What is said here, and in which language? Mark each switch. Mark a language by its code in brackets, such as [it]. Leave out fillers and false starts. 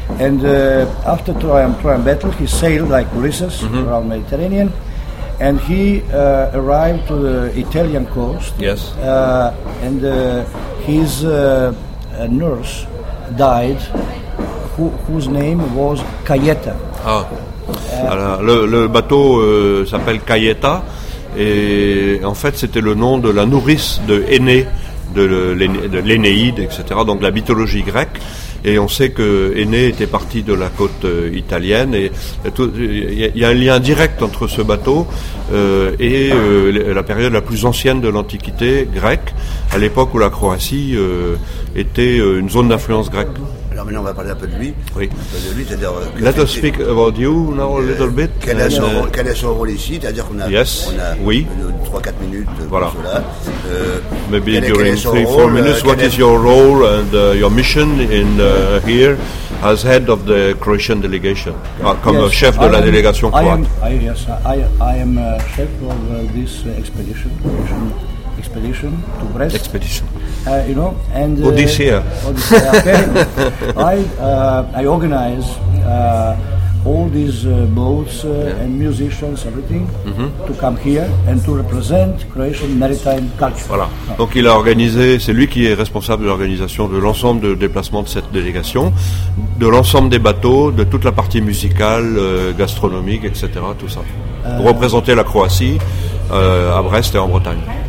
[en] And after Troyan battle, he sailed like Ulysses around Mediterranean, and he arrived to the Italian coast. Yes. And his nurse died, whose name was Gaeta. Ah. [fr] Le bateau s'appelle Gaeta, et en fait, c'était le nom de la nourrice de Aenea. De l'Énéide, etc. Donc la mythologie grecque. Et on sait que Aenée était parti de la côte italienne. Et il y a un lien direct entre ce bateau la période la plus ancienne de l'Antiquité grecque, à l'époque où la Croatie était une zone d'influence grecque. Alors maintenant, on va parler un peu de lui. Oui. Un peu de lui, c'est-à-dire. [en] Let us speak about you now a little bit. [fr] Quel est son rôle ici? C'est-à-dire qu'on a. [en] Yes. [fr] On a 3-4 minutes. Voilà. [en] Maybe during 3-4 minutes, what is your role and your mission in here as head of the Croatian delegation? [fr] Chef de la délégation croate. [en] I am chef of this expedition. Expedition to Brest. Expedition. You know, and I organize all these boats and musicians, everything, to come here and to represent Croatian maritime culture. [fr] Voilà. Donc il a organisé, c'est lui qui est responsable de l'organisation de l'ensemble de déplacements de cette délégation, de l'ensemble des bateaux, de toute la partie musicale, gastronomique, etc., tout ça. Pour représenter la Croatie à Brest et en Bretagne.